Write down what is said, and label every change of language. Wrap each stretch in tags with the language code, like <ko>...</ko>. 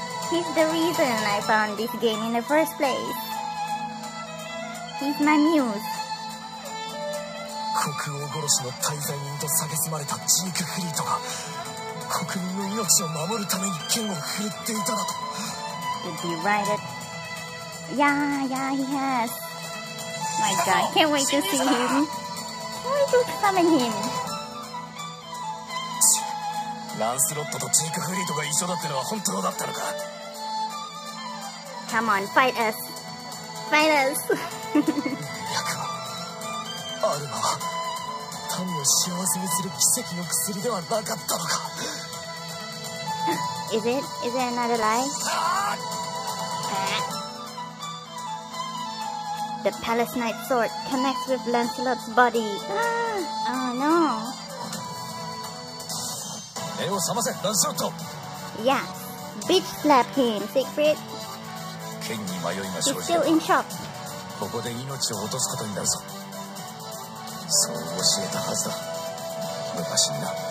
<en>He's the reason I found this game in the first place. He's my muse.</en> <ja>国王殺しの滞在人と蔑まれたジークフリートが国民の命を守るために剣を振るっていただと。</ja> <en>Did he write it? Yeah, yeah, he has. My god, can't wait to see him. Why do you summon him?</en> <ja>ランスロットとジークフリートが一緒だってのは本当だったのか。</ja> <en>Come on, fight us! Fight us!</en> <ja>アルマは民を幸せにする奇跡の薬ではなかったのか。</ja> <en>Is it? Is it another lie? The Palace Knight sword connects with Lancelot's body. Oh no!</en> <ja>目を覚ませ、ランスロット。</ja> <en>Yeah, bitch slap him, Siegfried.</en> <ja>剣に迷いが生じた。He's ここで命を落とすことになるぞ。そう教えたはずだ。昔にな。</ja>